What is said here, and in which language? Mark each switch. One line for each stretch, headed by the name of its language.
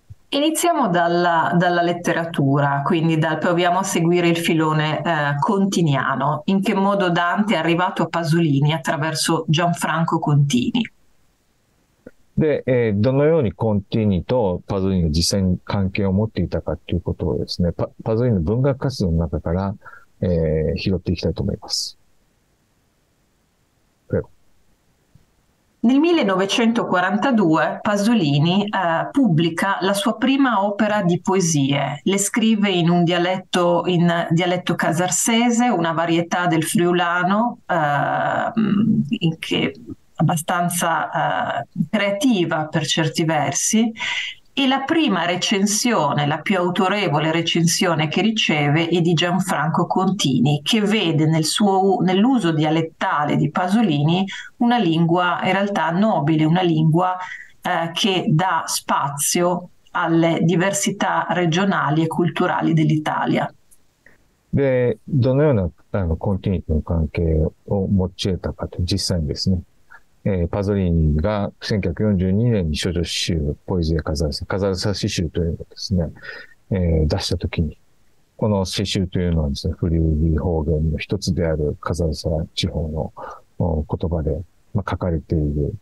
Italian: Iniziamo dalla letteratura, quindi proviamo a seguire il filone continiano. In che modo Dante è arrivato a Pasolini attraverso Gianfranco Contini?
Japanese: で、どのようにコンティニとパゾリーニが実際に関係を持っていたかということをですね、パゾリーニの文学活動の中から、拾っていきたいと思います。
Italian: Nel 1942 Pasolini pubblica la sua prima opera di poesie. Le scrive in dialetto casarsese, una varietà del friulano, che è abbastanza creativa per certi versi, e la prima recensione, la più autorevole recensione che riceve è di Gianfranco Contini, che vede nell'uso dialettale di Pasolini una lingua in realtà nobile, una lingua che dà spazio alle diversità regionali e culturali dell'Italia.
Japanese: で、どのような、コンティニーとの関係を持ち得たかと、実際にですね、パゾリーニが1942年に処女詩集、ポエジー・カザルサ詩集というのをですね、出したときに、この詩集というのはですね、フリュイ方言の一つであるカザルサ地方の言葉で、まあ、書かれている。